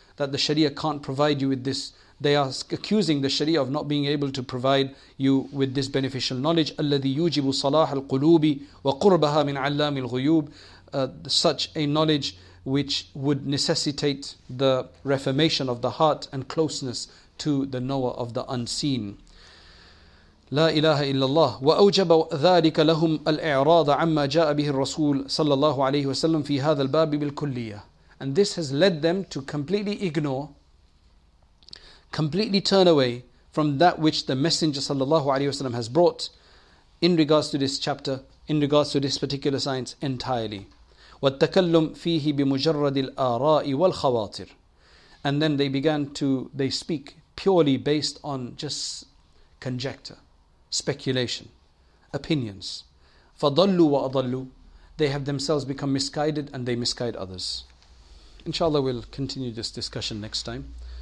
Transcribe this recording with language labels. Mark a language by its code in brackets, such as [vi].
[en] That the sharia can't provide you with this. They are accusing the sharia of not being able to provide you with this beneficial knowledge. [ar] الَّذِي يُوجِبُ صَلَاحَ الْقُلُوبِ وَقُرْبَهَا مِنْ عَلَّامِ الْغُيُوبِ. [en] Such a knowledge which would necessitate the reformation of the heart and closeness to the knower of the unseen. [ar] لا إله إلا الله. وأوجب ذلك لهم الإعراض عما جاء به الرسول صلى الله عليه وسلم في هذا الباب بالكلية. [en] And this has led them to completely ignore, completely turn away from that which the Messenger sallallahu alaihi wasallam has brought in regards to this chapter, in regards to this particular science entirely. [ar] والتكلم فيه بمجرد الآراء والخواطر. [en] And then they speak purely based on just conjecture, speculation, opinions. [ar] فضلوا وأضلوا. [en] They have themselves become misguided and they misguide others. Inshallah, we'll continue this discussion next time.